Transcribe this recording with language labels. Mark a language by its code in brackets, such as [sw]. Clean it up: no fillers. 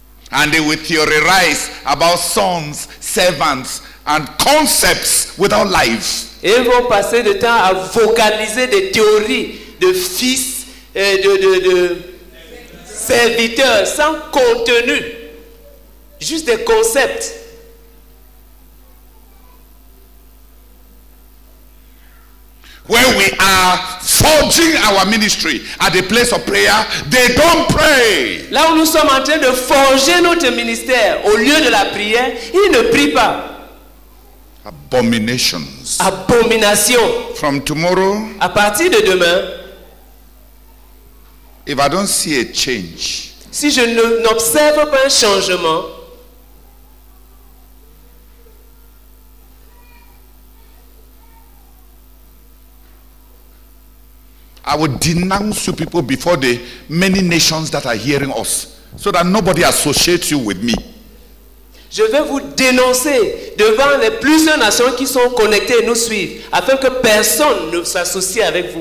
[en] And they will theorize about sons, servants, and concepts without life. [fr] Et ils vont passer de temps à vocaliser des théories de fils et de serviteurs sans contenu, juste des concepts. [en] When we are forging our ministry at the place of prayer, they don't pray. [fr] Là où nous sommes en train de forger notre ministère au lieu de la prière, ils ne prient pas. [en] Abominations. [fr] Abomination. [en] From tomorrow. [fr] À partir de demain. [en] If I don't see a change. [fr] Si je n'observe pas un changement. [en] I will denounce you people before the many nations that are hearing us, so that nobody associates you with me. [fr] Je vais vous dénoncer devant les plusieurs nations qui sont connectées et nous suivent, afin que personne ne s'associe avec vous.